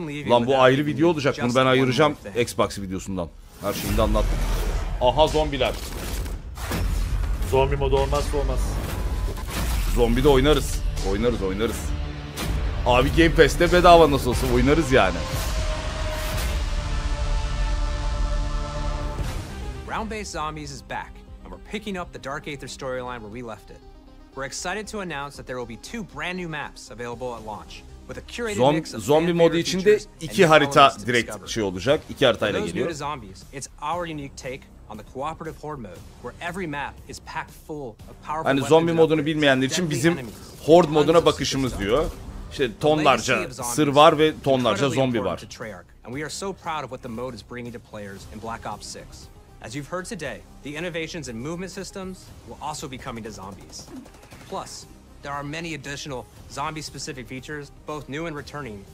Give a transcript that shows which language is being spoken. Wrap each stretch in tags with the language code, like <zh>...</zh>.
<tr>Lan bu ayrı video olacak, bunu ben ayıracağım Xbox videosundan. Her şeyi de anlattım. Aha zombiler. Zombi modu olmazsa olmaz. Zombi de oynarız. Oynarız. Abi Game Pass'te bedava nasıl olsa oynarız yani.</tr> <en>Round-based zombies is back, and we're picking up the Dark Aether storyline where we left it. We're excited to announce that there will be two brand new maps available at launch with a curated mix of zombie features.</en> <tr>Zombi modu içinde iki harita direkt şey olacak. İki haritayla geliyor.</tr> <en>Zombies, it's our unique take on the cooperative horde mode where every map is packed full of powerful.</en> <tr>Yani zombi modunu bilmeyenler için bizim horde moduna bakışımız diyor. İşte tonlarca sır var ve tonlarca zombi var.</tr> <en>And we are so proud of what the mode is bringing to players in Black Ops 6. As you've heard today, the innovations in movement systems will also be coming to zombies. Plus, there are many additional zombie-specific features, both new and returning.</en>